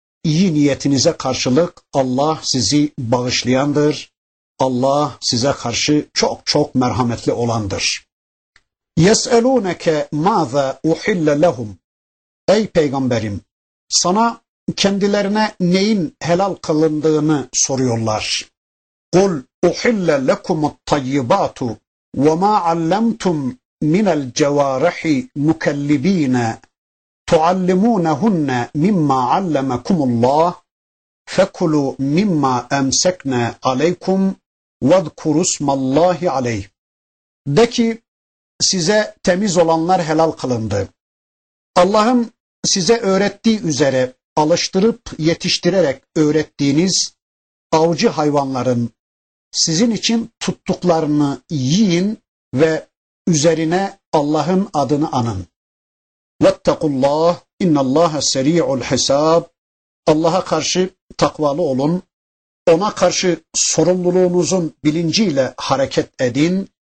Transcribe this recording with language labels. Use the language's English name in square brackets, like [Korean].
[Turkish] iyi niyetinize karşılık Allah sizi bağışlayandır. Allah size karşı çok çok merhametli olandır. [Arabic] يَسْأَلُونَكَ مَاذَا اُحِلَّ لَهُمْ [Turkish] Ey peygamberim, sana kendilerine neyin helal kılındığını soruyorlar. [Arabic] قُلْ اُحِلَّ لَكُمُ الطَّيِّبَاتُ وَمَا عَلَّمْتُمْ مِنَ الْجَوَارَحِ مُكَلِّبِينَ تُعَلِّمُونَهُنَّ مِمَّا عَلَّمَكُمُ اللّٰهِ فَكُلُوا مِمَّا اَمْسَكْنَا عَلَيْكُمْ وَذْكُرُوا اسْمَ اللّٰهِ عَلَيْهِ [Turkish] De ki, size temiz olanlar helal kılındı. Allah'ın size öğrettiği üzere, alıştırıp yetiştirerek öğrettiğiniz avcı hayvanların sizin için tuttuklarını yiyin ve üzerine Allah'ın adını anın. [Arabic] وَاتَّقُوا اللّٰهِ اِنَّ اللّٰهَ سَر۪يعُ الْحِسَابِ [Turkish] Allah'a karşı takvalı olun, ona karşı sorumluluğunuzun bilinciyle hareket edin.